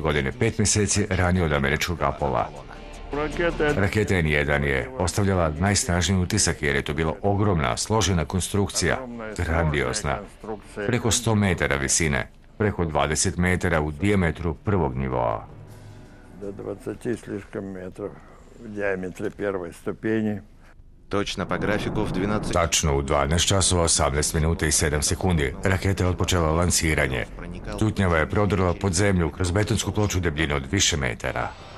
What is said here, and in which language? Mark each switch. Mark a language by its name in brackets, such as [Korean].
[Serbian] Године, 5 месеци ранее од Америчког Апола. Ракета N1 је остављала најснажнији утисак, јер је то била огромна, сложена конструкција, грандиозна, преко 100 метара висине, преко 20 метара у дијаметру првог нивоа. [Russian] До 20 слишком метров в диаметре первой ступени. Точно по графику в 12... [Serbian] Тачно у 12 часова 18 минута и 7 секунди ракета је отпочела лансирање. Тутњава је продрла под земљу кроз бетонску плочу дебљину од више метара.